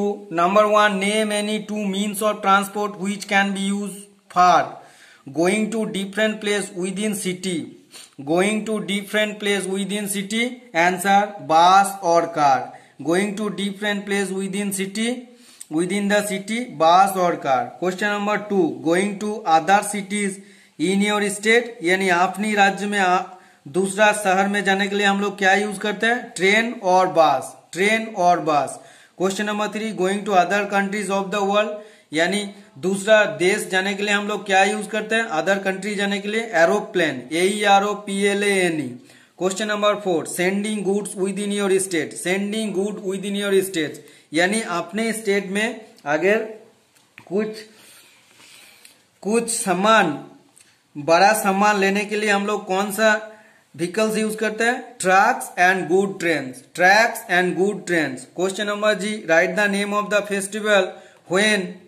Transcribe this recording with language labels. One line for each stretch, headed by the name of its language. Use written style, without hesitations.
English: Number one, name any two means of transport which can be used for going to different place within city. Going to different place within city. Answer, bus or car. Going to different place within city. Within the city, bus or car. Question number two. Going to other cities in your state.
Hindi: यानी आपने राज्य में दूसरा शहर में जाने के लिए हम लोग क्या यूज करते हैं?
English: Train or bus. Question number three. Going to other countries of the world.
Hindi: यानी दूसरा देश जाने के लिए हम लोग क्या यूज करते हैं?
English: Other country
Hindi: जाने के लिए aeroplane.
English: AEROPLANE. Question number four. Sending goods within your state. Sending goods within your state.
Hindi: यानी अपने स्टेट में अगर कुछ सामान बड़ा सामान लेने के लिए हम लोग कौन सा व्हीकल्स यूज करते हैं?
English: Trucks and good trains. Question number G, write the name of the festival when.